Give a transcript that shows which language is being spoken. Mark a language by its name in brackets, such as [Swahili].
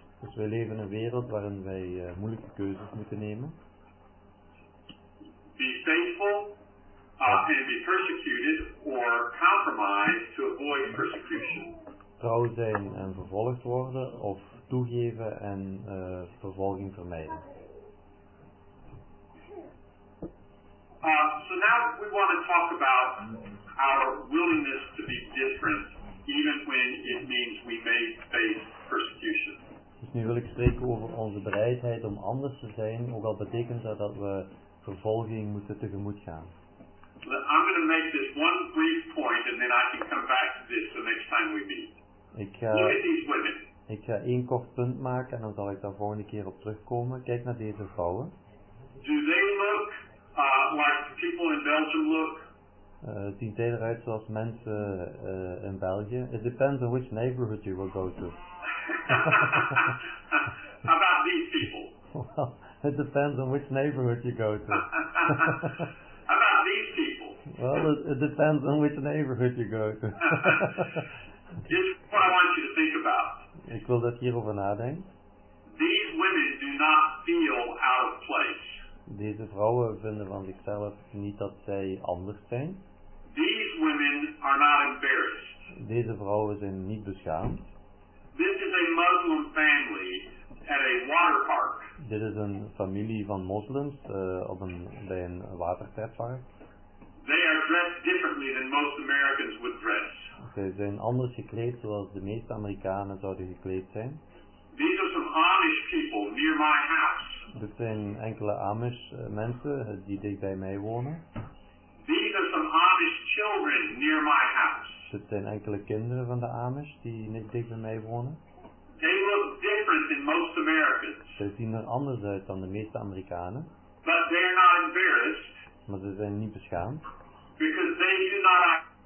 [Dutch] Dus wij leven in een wereld waarin wij moeilijke keuzes moeten nemen. [English] Be faithful and be persecuted or compromise to avoid persecution. [Dutch] Trouw zijn en vervolgd worden of toegeven en vervolging vermijden. [English] So now we want to talk about our willingness to be different even when it means we may face persecution. [Dutch] Dus nu wil ik spreken over onze bereidheid om anders te zijn, ook al betekent dat dat we vervolging moeten tegemoet gaan. [English] I'm going to make this one brief point and then I can come back to this the next time we meet. [Dutch] Ik ga één kort punt maken en dan zal ik daar volgende keer op terugkomen. Kijk naar deze vrouwen. [English] Do they look like the people in Belgium look? [Dutch] Zien zij eruit zoals mensen in België? [English] It depends on which neighborhood you will go to. How about these people? Well, it depends on which neighborhood you go to. How about these people? Well, it depends on which neighborhood you go to. Here's what I want you to think about. [Dutch] Ik wil dat hierover nadenken. [English] These women do not feel out of place. [Dutch] Deze vrouwen vinden van zichzelf niet dat zij anders zijn. [English] These women are not embarrassed. [Dutch] Deze vrouwen zijn niet beschaamd. [English] This is a Muslim family at a water park. [Dutch] Dit is een familie van moslims bij een waterpark. [English] They are dressed differently than most Americans would dress. [Dutch] Zij zijn anders gekleed zoals de meeste Amerikanen zouden gekleed zijn. [English] These are some Amish people near my house. [Dutch] Dit zijn enkele Amish mensen die dicht bij mij wonen. [English] These are some Amish children near my house. [Dutch] Dit zijn enkele kinderen van de Amish die niet dicht bij mij wonen. [English] They look different than most Americans. [Dutch] Ze zien er anders uit dan de meeste Amerikanen. [English] But they are not embarrassed. [Dutch] Maar ze zijn niet beschaamd. [English] Because they do not.